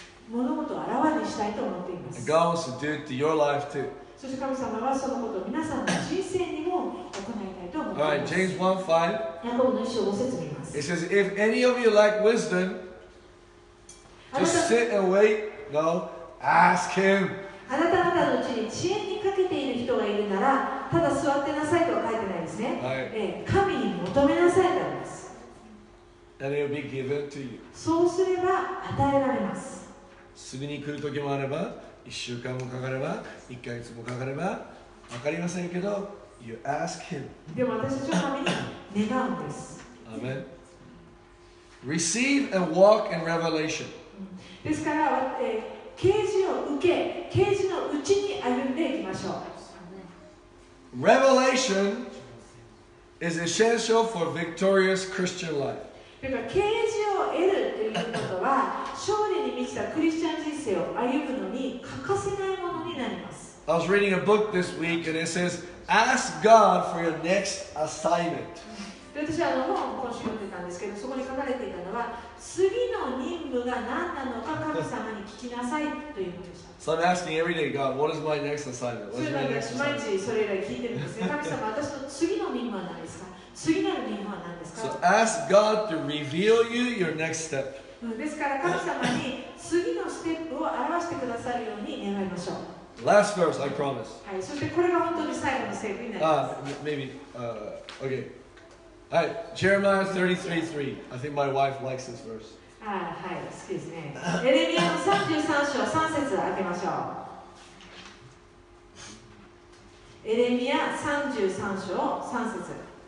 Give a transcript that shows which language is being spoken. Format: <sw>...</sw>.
<ja>物事を現にしたいと思っています。</ja> <en>God wants to do it to your life too.</en> <ja>そして神様はそのことを皆さんの人生にも行いたいと思っています。</ja> <en>All right, James 1:5.</en> <ja>ヤコブの一章を説明します。</ja> <en>It says, if any of you lack wisdom, just sit and wait. No, ask him.</en> <ja>あなた方のうちに知恵にかけている人がいるなら、ただ座ってなさいとは書いてないですね。</ja> <en>Right.</en> <ja>神に求めなさいとあります。</ja> <en>And it will be given to you.</en> <ja>そうすれば与えられます。すぐに来る時もあれば、1週間もかかれば、1ヶ月もかかれば、わかりませんけど、</ja> <en>You ask Him.</en> <ja>でも私は神に願うんです。</ja> <en>アメン。Receive and walk in revelation.</en> <ja>ですから、啓示を受け、啓示のうちに歩んでいきましょう。</ja> <en>Revelation is essential for victorious Christian life.</en> <ja>だから啓示を得るということは勝利に満ちたクリスチャン人生を歩むのに欠かせないものになります。</ja> <en>I was reading a book this week and it says, ask God for your next assignment.</en> <ja>私は本を今週読んでたんですけど、そこに書かれていたのは、次の任務が何なのか神様に聞きなさいということでした。</ja> <en>So I'm asking every day, God, what is my next assignment? What is my next assignment?</en> <ja>毎日それ以来聞いてるんですね。神様、私の次の任務は何ですか？次なる任務は何ですか？</ja> <en>So ask God to reveal you your next step.</en> <ja>ですから神様に次のステップを表してくださるように願いましょう。</ja> <en>Last verse, I promise.</en> <ja>はい、そしてこれが本当に最後のステップになります。</ja> <en>Maybe, okay. はい、Jeremiah 33:3. I think my wife likes this verse.</en> <ja>はい、好きですね。エレミヤの33章3節開けましょう。エレミヤ33章3節。</ja>